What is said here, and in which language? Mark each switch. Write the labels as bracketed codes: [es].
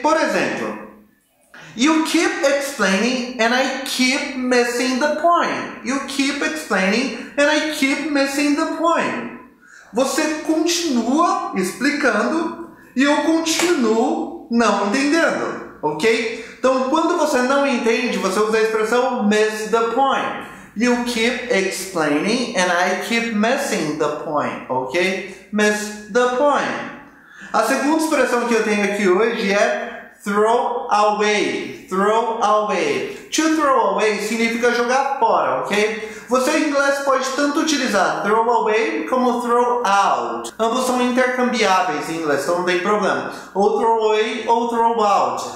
[pt] Por exemplo, [en] you keep explaining and I keep missing the point. You keep explaining and I keep missing the point. [pt] Você continua explicando e eu continuo não entendendo, ok? Então, quando você não entende, você usa a expressão [en] miss the point. You keep explaining and I keep missing the point, ok? Miss the point. [pt] A segunda expressão que eu tenho aqui hoje é [en] throw away, throw away. To throw away [pt] significa jogar fora, ok? Você em inglês pode tanto utilizar [en] throw away [pt] como [en] throw out. [pt] Ambos são intercambiáveis em inglês, então não tem problema. Ou [en] throw away [pt] ou [en] throw out.